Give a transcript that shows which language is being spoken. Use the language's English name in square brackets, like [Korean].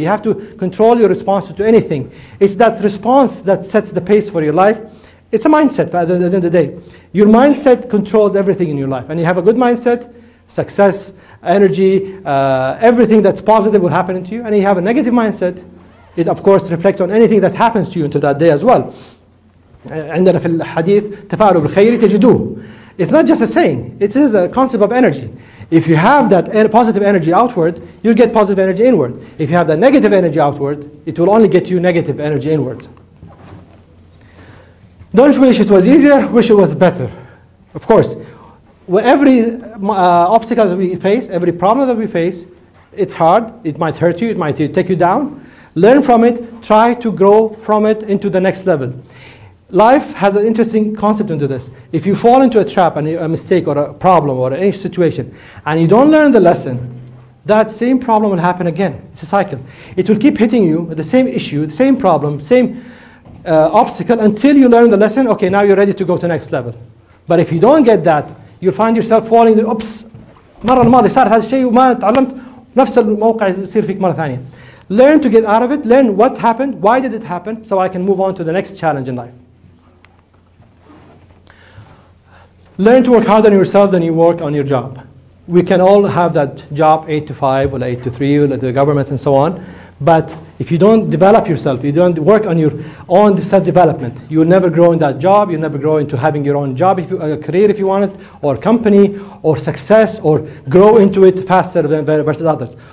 [English] You have to control your response to anything. It's that response that sets the pace for your life. It's a mindset at the end of the day. Your mindset controls everything in your life. And you have a good mindset, success, energy, everything that's positive will happen to you. And you have a negative mindset, it of course reflects on anything that happens to you into that day as well. [Arabic] عندنا في الحديث تفاعلوا بالخير تجدوه. [English] It's not just a saying, it is a concept of energy. If you have that positive energy outward, you'll get positive energy inward. If you have that negative energy outward, it will only get you negative energy inward. Don't wish it was easier, wish it was better. Of course, with every obstacle that we face, every problem that we face, it's hard, it might hurt you, it might take you down. Learn from it, try to grow from it into the next level. Life has an interesting concept into this. If you fall into a trap, and a mistake, or a problem, or any situation, and you don't learn the lesson, that same problem will happen again. It's a cycle. It will keep hitting you with the same issue, the same problem, same obstacle, until you learn the lesson. Okay, now you're ready to go to the next level. But if you don't get that, you'll find yourself falling. Oops! [Arabic] مرة الماضي صار هذا الشيء وما تعلمت نفس الموقع يصير فيك مرة ثانية. [English] Learn to get out of it. Learn what happened. Why did it happen? So I can move on to the next challenge in life. Learn to work harder on yourself than you work on your job. We can all have that job 8 to 5 or 8 to 3 or the government and so on. But if you don't develop yourself, you don't work on your own self-development, you'll never grow in that job, you'll never grow into having your own job, if you, a career if you want it, or company, or success, or grow into it faster than versus others.